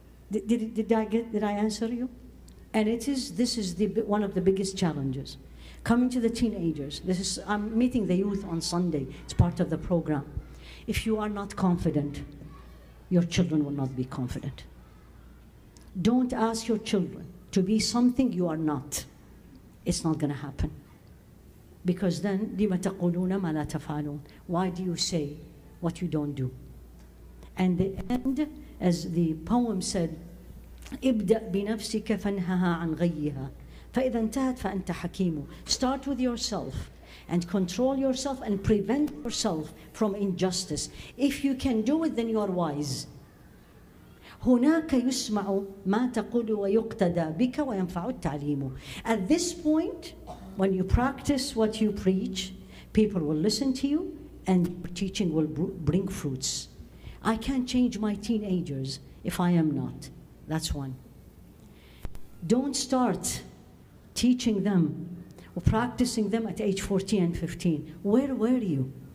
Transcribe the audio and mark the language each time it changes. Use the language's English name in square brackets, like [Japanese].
[English] Did I answer you? And this is one of the biggest challenges. Coming to the teenagers, I'm meeting the youth on Sunday, it's part of the program. If you are not confident, your children will not be confident. Don't ask your children to be something you are not. It's not going to happen. Because then, [Arabic] لِمَ تَقُولُونَ مَا لَا تَفَعَلُونَ. [English] Why do you say what you don't do? And the end, as the poem said, [Arabic] اِبْدَأْ بِنَفْسِكَ فَانْهَهَا عَنْ غَيِّهَا فَإِذَا انْتَهَتْ فَأَنْتَ حَكِيمُ. [English] Start with yourself. and control yourself and prevent yourself from injustice. If you can do it, then you are wise. [Arabic] هناك يسمع ما تقول ويقتدى بك وينفع التعليم. [English] At this point, when you practice what you preach, people will listen to you and teaching will bring fruits. I can't change my teenagers if I am not. That's one. Don't start teaching them or practicing them at age 14 and 15. Where were you?